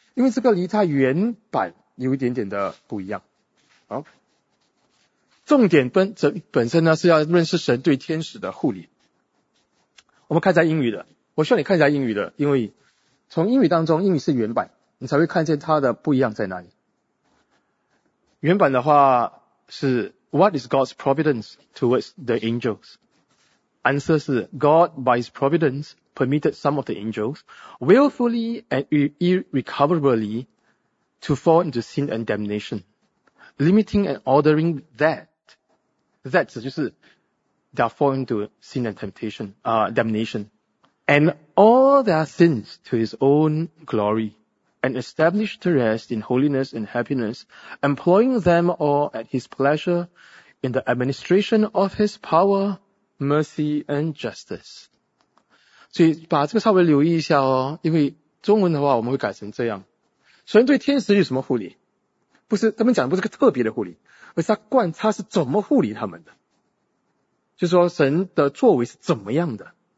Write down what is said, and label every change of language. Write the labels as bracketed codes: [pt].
[zh] 因为这个离他原版有一点点的不一样。好，重点本身呢是要认识神对天使的护理。我们看一下英语的，我需要你看一下英语的，因为从英语当中，英语是原版，你才会看见它的不一样在哪里。原版的话是 [en] What is God's providence towards the angels? Answer [zh] 是 [en] God by his providence permitted some of the angels willfully and irrecoverably to fall into sin and damnation, limiting and ordering that [zh] 指就是 [en] they are fall into sin and temptation, damnation, and all their sins to his own glory, and establish the rest in holiness and happiness, employing them all at his pleasure in the administration of his power, mercy and justice. [zh] 所以把这个稍微留意一下哦，因为中文的话我们会改成这样。所以对天使有什么护理？不是，他们讲的不是个特别的护理，而是他是怎么护理他们的，就是说神的作为是怎么样的。